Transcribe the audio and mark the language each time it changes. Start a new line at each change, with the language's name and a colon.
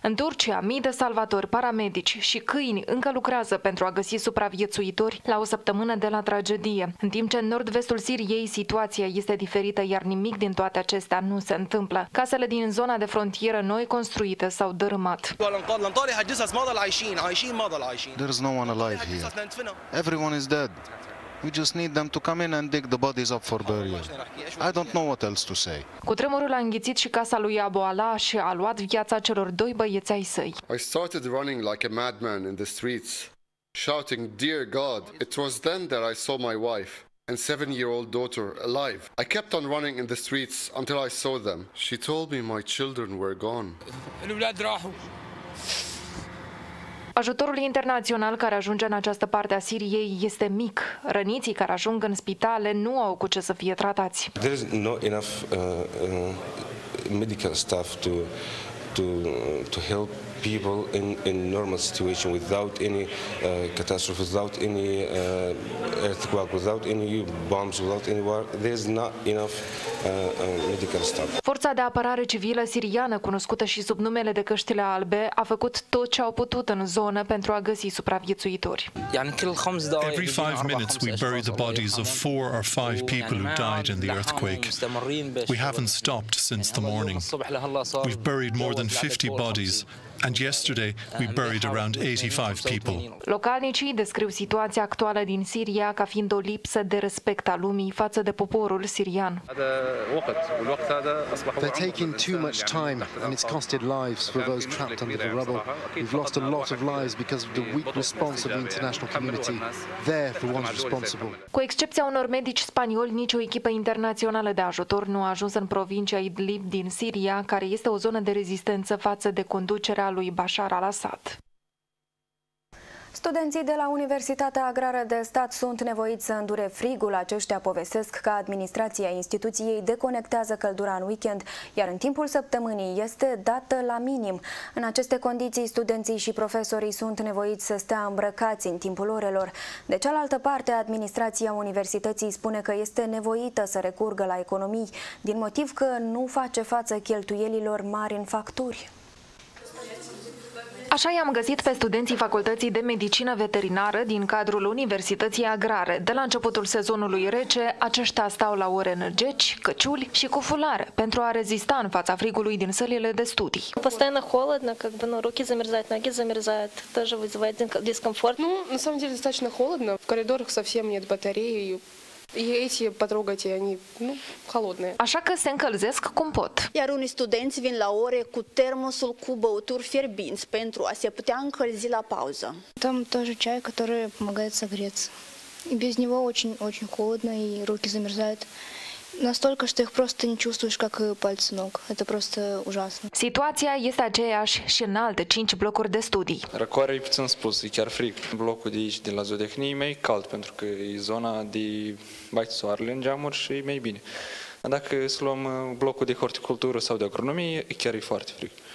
Romanian: În Turcia, mii de salvatori, paramedici și câini încă lucrează pentru a găsi supraviețuitori la o săptămână de la tragedie. În timp ce în nord-vestul Siriei situația este diferită, iar nimic din toate acestea nu se întâmplă. Casele din zona de frontieră noi construite s-au dărâmat.
English: There's no one alive here. Everyone is dead. We just need them to come in and dig the bodies up for burial. I don't know what else to say.
Romanian: Cutremurul a înghițit și casa lui Abu Ala și a luat viața celor doi băieți ai săi.
English: I started running like a madman in the streets, shouting, "Dear God!" It was then that I saw my wife and 7-year-old daughter alive. I kept on running in the streets until I saw them. She told me my children were gone.
Romanian: Ajutorul internațional care ajunge în această parte a Siriei este mic. Răniții care ajung în spitale nu au cu ce să fie tratați.
English: There is not enough medical staff to help people in normal situation without any catastrophe, without any earthquake, without any bombs, without any war. There's not enough medical staff.
Romanian: Forța de apărare civilă siriană, cunoscută și sub numele de Căștile Albe, a făcut tot ce au putut în zonă pentru a găsi supraviețuitori.
English: Every 5 minutes we bury the bodies of 4 or 5 people who died in the earthquake. We haven't stopped since the morning. We've buried more than 50 bodies. And yesterday we buried around 85 people.
Romanian: Localnicii descriu situația actuală din Siria ca fiind o lipsă de respect a lumii față de poporul sirian.
English: They're taking too much time and it's costed lives for those trapped under the rubble. We've lost a lot of lives because of the weak response of the international community. They're the ones responsible.
Romanian: Cu excepția unor medici spanioli, nicio echipă internațională de ajutor nu a ajuns în provincia Idlib din Siria, care este o zonă de rezistență față de conducere a lui Bashar al-Assad. Studenții de la Universitatea Agrară de Stat sunt nevoiți să îndure frigul. Aceștia povestesc că administrația instituției deconectează căldura în weekend, iar în timpul săptămânii este dată la minim. În aceste condiții, studenții și profesorii sunt nevoiți să stea îmbrăcați în timpul orelor. De cealaltă parte, administrația universității spune că este nevoită să recurgă la economii, din motiv că nu face față cheltuielilor mari în facturi. Așa i-am găsit pe studenții Facultății de Medicină Veterinară din cadrul Universității Agrare. De la începutul sezonului rece, aceștia stau la ore în geci, căciuli și cu fulare pentru a rezista în fața frigului din sălile de studii.
Russian: Постоянно холодно, как бы, ну, руки замерзают, ноги замерзают, тоже вызывает дискомфорт. Ну, на самом деле достаточно холодно. В коридорах совсем нет батареи.
Romanian: Așa că se încălzesc cum pot. Iar unii studenți vin la ore cu termosul cu băuturi fierbinți pentru a se putea încălzi la pauză.
Russian: Там тоже чай, который помогает согреться. И без него очень-очень холодно и руки замерзают. Настолько, что их просто не чувствуешь, как пальцы ног. Это просто ужасно. Ситуация есть
Romanian: aceeași și în alte 5 blocuri de studii. Răcoare, ți-am spus, e chiar frig. Blocul de aici, de la zootehnie, e mai cald, pentru că e zona de bate soarele în geamuri și e mai bine. Dacă să luăm blocul de horticultură sau de agronomie, chiar e foarte frig.